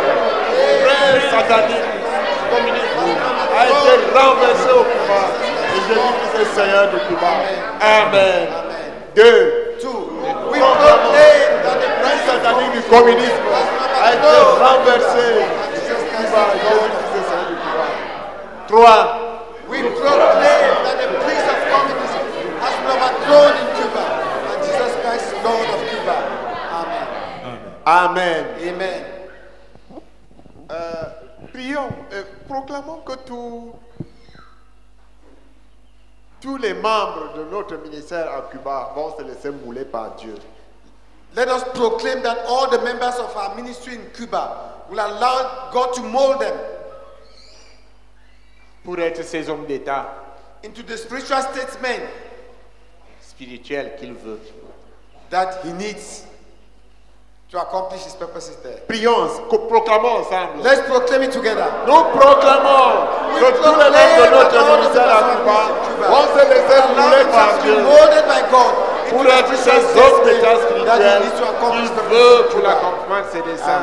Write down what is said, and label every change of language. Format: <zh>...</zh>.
<fr>Le prince satanique communiste a été renversé au Cuba. Et Jésus-Christ est Seigneur de Cuba. Amen. Amen. Deux.</fr> <en>Two. We proclaim that the prince</en> <fr>satanique du communisme a été renversé au Cuba. Jésus-Christ est Seigneur de Cuba. Trois.</fr> <en>We proclaim that the prince of communism has been overthrown in Cuba, and Jesus Christ, Lord of Cuba. Amen. Amen. Amen. Amen.</en> <fr>Prions, proclamons que tous les membres de notre ministère à Cuba vont se laisser mouler par Dieu.</fr> <en>Let us proclaim that all the members of our ministry in Cuba will allow God to mold them.</en> <fr>Pour être ces hommes d'État,</fr> <en>into the spiritual statesman,</en> <fr>spirituel qu'il veut,</fr> <en>that he needs to accomplish his purposes there.</en> <fr>Prions, proclamons ensemble.</fr> <en>Let's proclaim it together.</en> <fr>Nous proclamons que tous les membres de notre ministère à Cuba vont se laisser mouler par Dieu pour être ces hommes d'État spirituels qu'il veut pour l'accomplissement de ses desseins.</fr>